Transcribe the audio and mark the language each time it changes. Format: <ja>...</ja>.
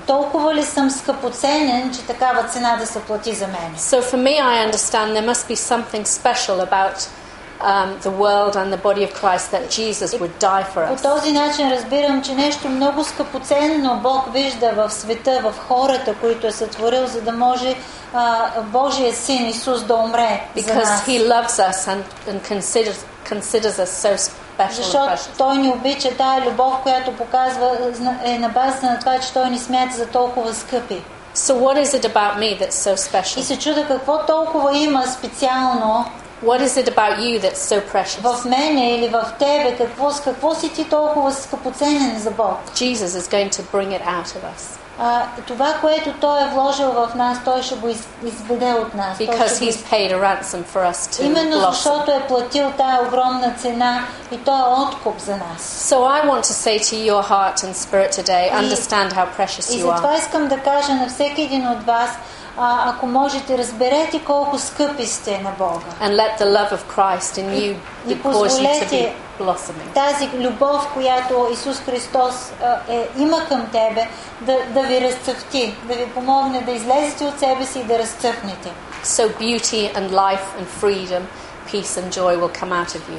<bg>Толкова ли съм скъпоценен, че такава цена да се плати за мен?</bg> <en>So for me, I understand there must be something special about the world and the body of Christ that Jesus would die for us.</en> <bg>По този начин разбирам, че нещо много скъпоценно Бог вижда в света, в хората, които е сътворил, за да може Божия син Исус да умре за нас.</bg> <en>Because he loves us and considers us so special.</en> <bg>Защото той ни обича, тая любов, която показва, е на база на това, че той ни смята за толкова скъпи.</bg> <en>So what is it about me that's so special?</en> <bg>И се чуда какво толкова има специално.</bg> <en>What is it about you that's so precious?</en> <bg>В мене или в тебе, какво си ти толкова скъпоценен за Бог?</bg> <en>Jesus is going to bring it out of us.</en> <bg>Това, което Той е вложил в нас, Той ще го изведе от нас.</bg> <en>Because He's paid a ransom for us to blossom.</en> <bg>Именно защото е платил тая огромна цена и Той е откуп за нас.</bg> <en>So I want to say to your heart and spirit today, understand how precious you are.</en> <bg>И затова искам да кажа на всеки един от вас, ако можете, разберете колко скъпи сте на Бога.</bg> <en>And let the love of Christ in you</en> <bg>и позволете</bg> <en>you to be blossoming.</en> <bg>Тази любов, която Исус Христос има към тебе, да ви разцъфти, да ви помогне да излезете от себе си и да разцъфнете.</bg> <en>So beauty and life and freedom, peace and joy will come out of you.</en>